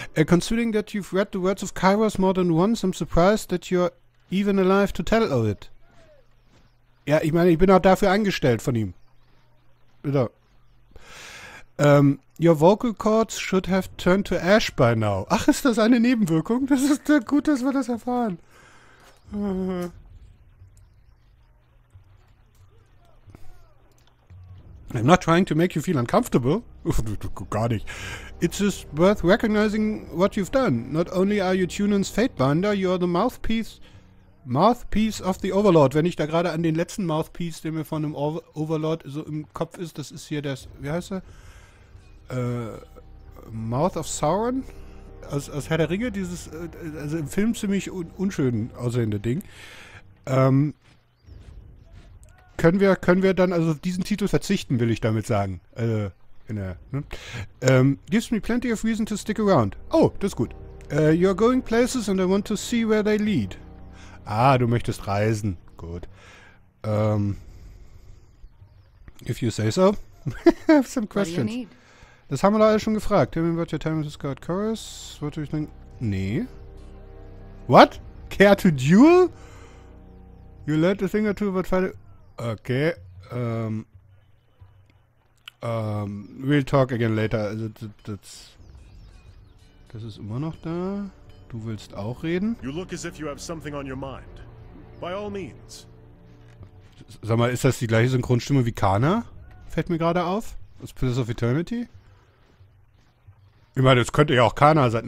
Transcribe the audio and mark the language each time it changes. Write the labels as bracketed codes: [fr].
[en] Considering that you've read the words of Kairos more than once, I'm surprised that you're even alive to tell of it. [de] Ja, ich meine, ich bin auch dafür angestellt von ihm. Bitte. [en] Your vocal cords should have turned to ash by now. [de] Ach, ist das eine Nebenwirkung? Das ist doch gut, dass wir das erfahren. [en] I'm not trying to make you feel uncomfortable. [de] Gar nicht. [en] It's just worth recognizing what you've done. Not only are you Tunin's Fatebinder, you are the mouthpiece of the Overlord. [de] Wenn ich da gerade an den letzten Mouthpiece, der mir von einem Overlord so im Kopf ist, das ist hier das, wie heißt er? Mouth of Sauron? Aus Herr der Ringe, dieses, also im Film ziemlich unschön aussehende Ding. Können wir dann also auf diesen Titel verzichten, will ich damit sagen. [en] Gives me plenty of reason to stick around. [de] Oh, das ist gut. [en] You're going places and I want to see where they lead. [de] Ah, du möchtest reisen. Gut. [en] If you say so. I have some questions. [de] Das haben wir doch alle schon gefragt. [en] Tell me about your time with Scott Chorus. What do you think? Nee. What? Care to duel? You learned a thing or two about fighting... Okay, we'll talk again later. [de] Also, das ist immer noch da. Du willst auch reden? [en] You look as if you have something on your mind. By all means. [de] Sag mal, ist das die gleiche Synchronstimme wie Kana? Fällt mir gerade auf. Aus Pillars of Eternity? Ich meine, das könnte ja auch Kana sein.